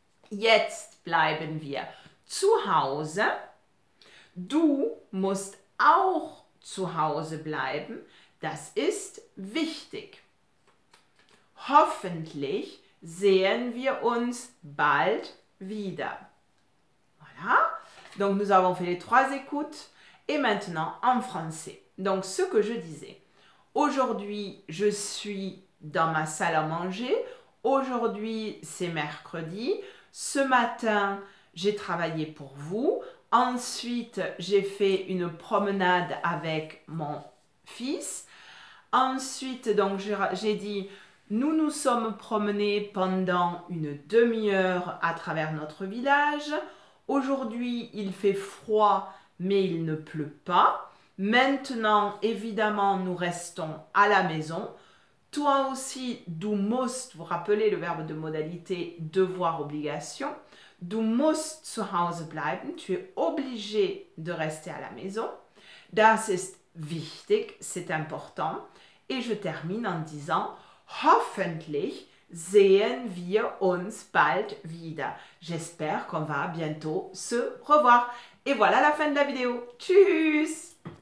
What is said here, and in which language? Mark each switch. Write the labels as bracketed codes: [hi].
[de] Jetzt bleiben wir zu Hause. Du musst auch zu Hause bleiben. Das ist wichtig. Hoffentlich sehen wir uns bald wieder. [fr] Voilà. Donc, nous avons fait les trois écoutes. Et maintenant, en français. Donc, ce que je disais. Aujourd'hui, je suis dans ma salle à manger. Aujourd'hui, c'est mercredi. Ce matin, j'ai travaillé pour vous. Ensuite, j'ai fait une promenade avec mon fils. Ensuite, donc, j'ai dit, nous nous sommes promenés pendant une demi-heure à travers notre village. Aujourd'hui, il fait froid, mais il ne pleut pas. Maintenant, évidemment, nous restons à la maison. Toi aussi, [de] du musst, [fr] vous rappelez le verbe de modalité devoir obligation, [de] du musst zu Hause bleiben, [fr] tu es obligé de rester à la maison. [de] Das ist wichtig, [fr] c'est important. Et je termine en disant, [de] hoffentlich sehen wir uns bald wieder. [fr] J'espère qu'on va bientôt se revoir. Et voilà la fin de la vidéo. Tschüss!